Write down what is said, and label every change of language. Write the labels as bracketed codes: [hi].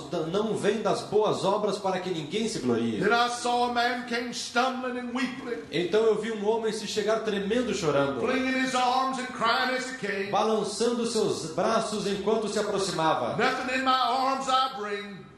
[pt] Não vem das boas obras para que ninguém se glorie. [en] Then I saw a man came stumbling and weeping. [pt] Então eu vi um homem se chegar tremendo chorando. [en] Flinging his arms and crying as he came. [pt] Balançando seus braços enquanto se aproximava. [en] Nothing in my arms I bring.